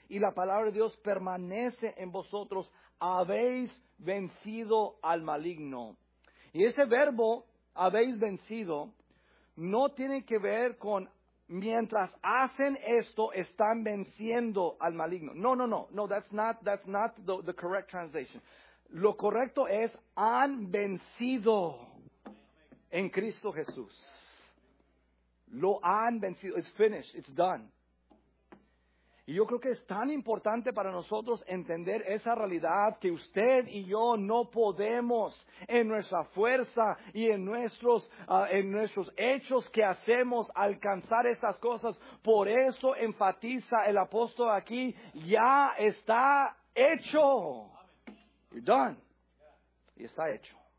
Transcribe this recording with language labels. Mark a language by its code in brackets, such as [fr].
[es] Y la palabra de Dios permanece en vosotros. Habéis vencido al maligno. Y ese verbo, habéis vencido, no tiene que ver con mientras hacen esto, están venciendo al maligno. [en] No, that's not the correct translation. [es] Lo correcto es, han vencido en Cristo Jesús. Lo han vencido, [en] it's finished, it's done. [es] Y yo creo que es tan importante para nosotros entender esa realidad que usted y yo no podemos en nuestra fuerza y en nuestros hechos que hacemos alcanzar estas cosas. Por eso enfatiza el apóstol aquí, ya está hecho. [en] You're done. [es] Y está hecho.